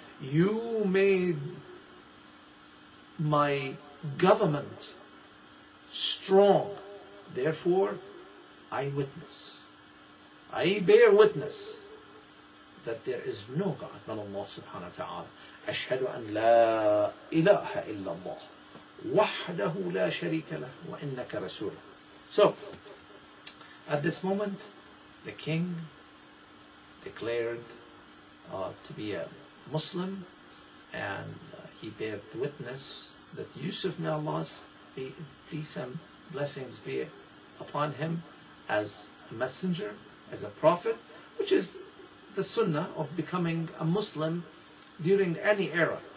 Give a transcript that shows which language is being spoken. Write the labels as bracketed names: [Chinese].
[English] You made my government strong. Therefore, I witness. I bear witness that there is no God but Allah subhanahu wa ta'ala. [Arabic] أشهد أن لا إله إلا الله وحده لا شريك له وإنك رسول. [English] So, at this moment, the king declared to be a Muslim, and he bore witness that Yusuf, may Allah's peace and blessings be upon him, as a messenger, as a prophet, which is the sunnah of becoming a Muslim during any era.